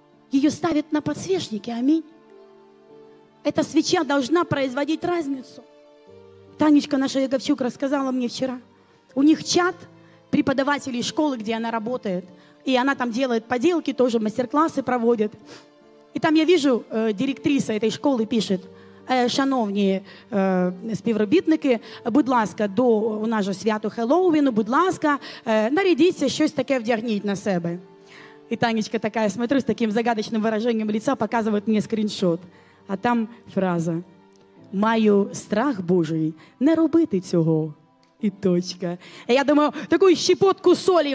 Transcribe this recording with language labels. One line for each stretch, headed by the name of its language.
Russian: Ее ставят на подсвечники, аминь. Эта свеча должна производить разницу. Танечка наша Яговчук рассказала мне вчера. У них чат преподавателей школы, где она работает. И она там делает поделки, тоже мастер-классы проводит. И там я вижу, директриса этой школы пишет:
Ukrainian: шановні співробітники, будь ласка, до у нас же свято Хеллоуіну, будь ласка, нарядіться, щось таке вдягніть на себе.
Russian: И Танечка такая, смотрю, с таким загадочным выражением лица, показывает мне скриншот. А там фраза:
Ukrainian: «Маю страх Божий не робити цього».
Russian: И точка. И я думаю, такую щепотку соли.